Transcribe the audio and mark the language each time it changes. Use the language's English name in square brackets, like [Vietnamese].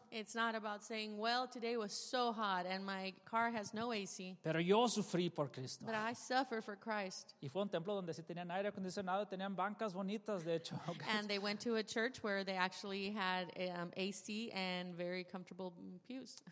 [English] It's not about saying, well, today was so hot and my car has no AC. [Spanish] Pero yo sufrí por Cristo. [English] But I suffered for Christ. [Spanish] Y fue un templo donde sí tenían aire acondicionado, tenían bancas bonitas, de hecho. [English] And they went to a church where they actually had AC and very comfortable pews.